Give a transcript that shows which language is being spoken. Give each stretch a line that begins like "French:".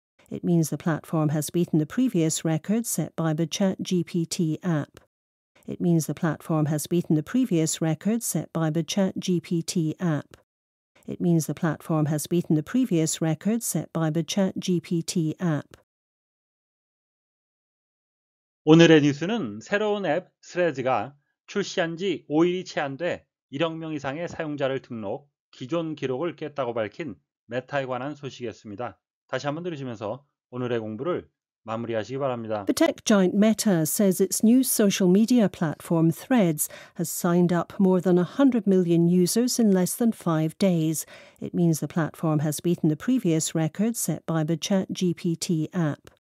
English: It means the platform has beaten the previous record set by the ChatGPT app. It means the platform has beaten the previous record set by the ChatGPT app. It means the platform has beaten the previous record set by the ChatGPT app.
Korean: 오늘의 뉴스는 새로운 앱 스레즈가 출시한 지 5일이 채 안 돼 1억 명 이상의 사용자를 등록, 기존 기록을 깼다고 밝힌 메타에 관한 소식이었습니다. 다시 한번 들으시면서 오늘의 공부를 마무리하시기 바랍니다.
English: The tech giant Meta says its new social media platform Threads has signed up more than 100 million users in less than 5 days. It means the platform has beaten the previous record set by the ChatGPT app.